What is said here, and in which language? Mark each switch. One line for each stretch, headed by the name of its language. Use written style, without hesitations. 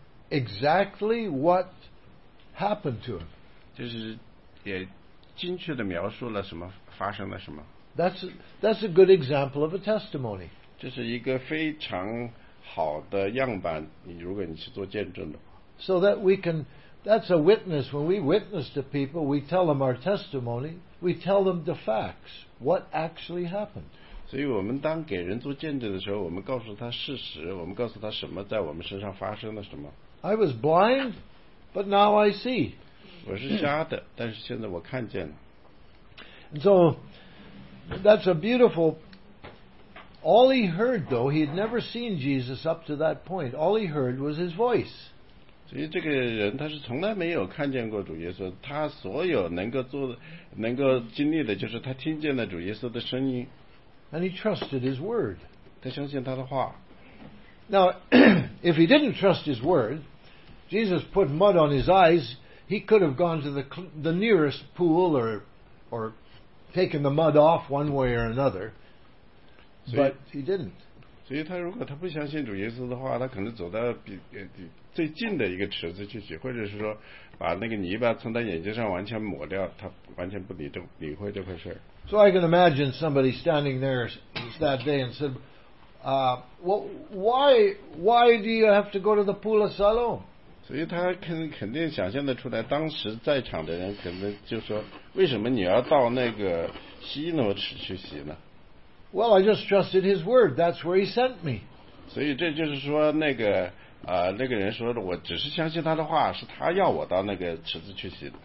English: Exactly what happened to him.
Chinese: 就是也精确地描述了什么发生了什么。
English: That's a good example of a testimony.
Chinese: 这是一个非常好的样板，如果你是做见证的。
English: So that we can, that's a witness. When we witness to people, we tell them our testimony. We tell them the facts. What actually happened?
Chinese: 所以我们当给人做见证的时候，我们告诉他事实，我们告诉他什么在我们身上发生了什么。
English: I was blind, but now I see.
Chinese: 我是瞎的，但是现在我看见了。
English: And so that's a beautiful. All he heard, though, he had never seen Jesus up to that point. All he heard was his voice.
Chinese: 所以这个人他是从来没有看见过主耶稣，他所有能够经历的就是他听见了主耶稣的声音。
English: And he trusted his word.
Chinese: 他相信他的话。
English: Now, if he didn't trust his word, Jesus put mud on his eyes, he could have gone to the nearest pool or taken the mud off one way or another. But he didn't.
Chinese: 所以他如果他不相信主耶稣的话，他可能走到最近的一个池子去洗，或者是说把那个泥巴从他眼睛上完全抹掉，他完全不理会这回事。
English: So I can imagine somebody standing there that day and said, why do you have to go to the pool of Siloam?
Chinese: 所以他肯定想象得出来，当时在场的人可能就说，为什么你要到那个希罗池去洗呢？
English: Well, I just trusted his word. That's where he sent me.
Chinese: 所以这就是说那个人说的，我只是相信他的话，是他要我到那个池子去洗的。